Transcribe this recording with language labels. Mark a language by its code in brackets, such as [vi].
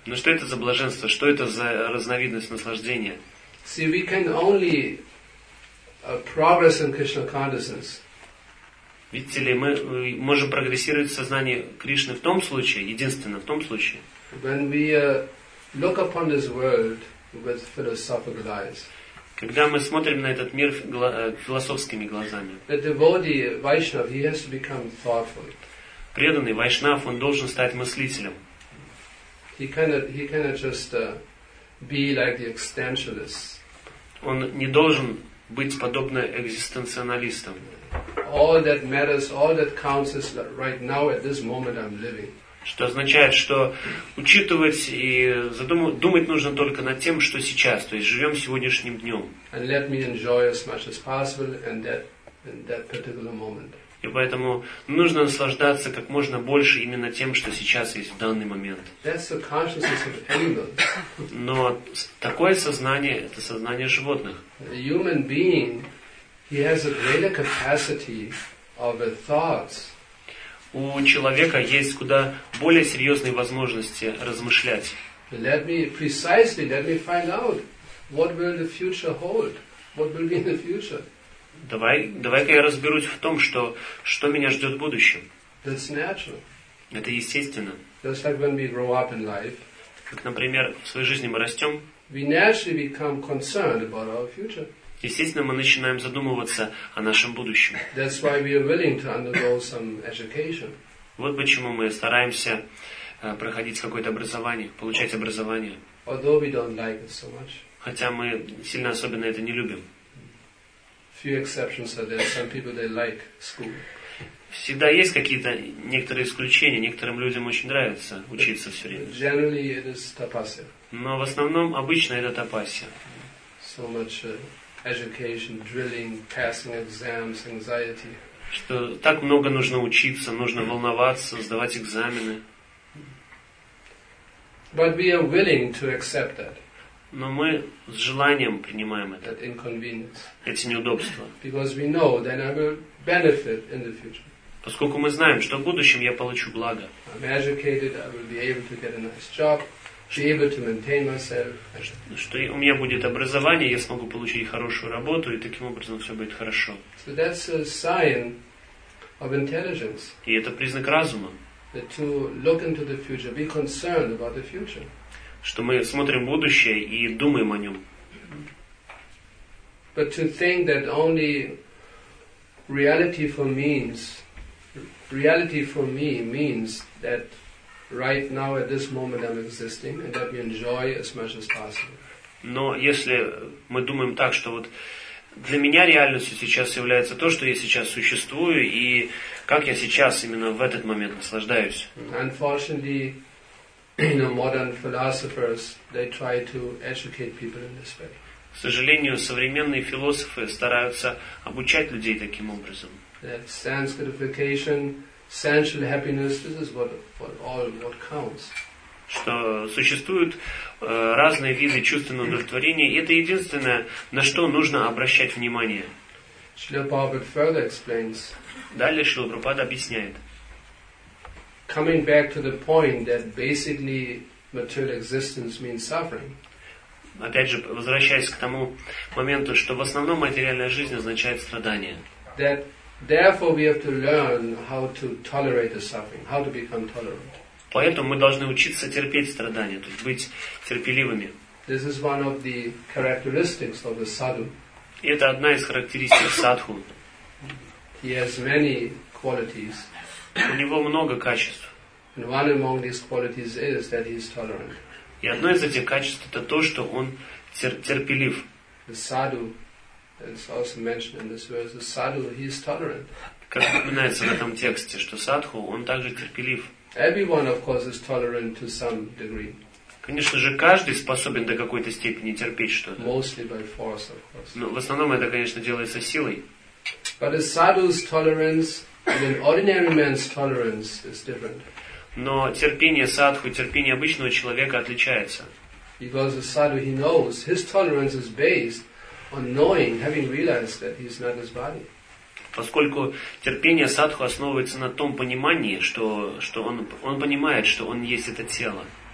[ru] Ну что это за блаженство? Что это за разновидность наслаждения? [en] See, we can only progress in Krishna consciousness. [ru] Видите ли, мы можем прогрессировать в сознании Кришны в том случае, единственно в том случае. [en] When we look upon this world with philosophical eyes. [ru] Когда мы смотрим на этот мир философскими глазами. [en] The devotee, Vaishnav, he has to become thoughtful. [ru] Преданный Вайшнав, он должен стать мыслителем. [en] He cannot just be like the existentialists. [ru] Он не должен быть подобно экзистенциалистам. [en] All that matters, all that counts is right now at this moment I'm living. [ru] Что означает, что учитывать и думать нужно только над тем, что сейчас, то есть живем сегодняшним днем. [en] And let me enjoy as much as possible in that particular moment. [ru] И поэтому нужно наслаждаться как можно больше именно тем, что сейчас есть в данный момент. [en] That's the consciousness of animal. [ru] Но такое сознание – это сознание животных. [en] A human being, he has a greater capacity of the thoughts. [ru] У человека есть куда более серьезные возможности размышлять. [en] Let me find out what will the future hold, what will be in the future. [ru] Давай-ка я разберусь в том, что меня ждет в будущем. [en] That's natural. [ru] Это естественно. [en] Just like when we grow up in life. [ru] Как, например, в своей жизни мы растем. [en] We naturally become concerned about our future. [ru] Естественно, мы начинаем задумываться о нашем будущем. [en] That's why we are willing to undergo some education. [ru] Вот почему мы стараемся проходить какое-то образование, получать образование. [en] Although we don't like it so much. [ru] Хотя мы сильно особенно это не любим. [en] few exceptions are there. Some people they like school. [ru] Всегда есть какие-то некоторые исключения. Некоторым людям очень нравится учиться все время. [en] Generally it is tapasya. [ru] Но в основном обычно это тапасья. [en] So much education, drilling, passing exams, anxiety. [ru] Что так много нужно учиться, нужно волноваться, сдавать экзамены. [en] But we are willing to accept that. [ru] Но мы с желанием принимаем это. [en] That inconvenience. [ru] Эти неудобства. [en] Because we know that I will benefit in the future. [ru] Поскольку мы знаем, что в будущем я получу благо. [en] I'm educated, I will be able to get a nice job. Be able to maintain myself. [ru] Что у меня будет образование, я смогу получить хорошую работу, и таким образом все будет хорошо. [en] So that's a sign of intelligence. [ru] И это признак разума. [en] To look into the future, be concerned about the future. [ru] Что мы смотрим в будущее и думаем о нем. [en] But to think that only reality for me means that right now at this moment I'm existing and that we enjoy as much as possible. [ru] Но если мы думаем так, что вот для меня реальностью сейчас является то, что я сейчас существую и как я сейчас именно в этот момент наслаждаюсь. [en] Unfortunately, modern philosophers they try to educate people in this way. [ru] К сожалению, современные философы стараются обучать людей таким образом. [en] That sanskritification, sensual happiness, this is what counts. [ru] Что существуют разные виды чувственного удовлетворения, и это единственное, на что нужно обращать внимание. [en] Шрила Прабхупада further explains. [ru] Далее Шрила Прабхупада объясняет. [en] Coming back to the point that basically material existence means suffering. [ru] Опять же, возвращаясь к тому моменту, что в основном материальная жизнь означает страдание. [en] That therefore we have to learn how to tolerate the suffering, how to become tolerant. [ru] Поэтому мы должны учиться терпеть страдания, то есть быть терпеливыми. [en] This is one of the characteristics of the sadhu. [ru] И это одна из характеристик садху. [en] He has many qualities. [ru] У него много качеств. [en] And one among these qualities is that he is tolerant. [ru] И одно из этих качеств это то, что он терпелив. [en] The sadhu, it's also mentioned in this verse, the sadhu, he is tolerant. [ru] Как упоминается в этом тексте, что садху, он также терпелив. [en] Everyone, of course, is tolerant to some degree. [ru] Конечно же, каждый способен до какой-то степени терпеть что-то. [en] Mostly by force, of course. [ru] Но в основном это, конечно, делается силой. [en] But a sadhu's tolerance and an ordinary man's tolerance is different. [ru] Но терпение садху, терпение обычного человека отличается. [en] Because a sadhu, he knows, his tolerance is based on knowing, having realized that he is not his body. [ru] Поскольку терпение садху основывается на том понимании, что он понимает, что он есть это тело.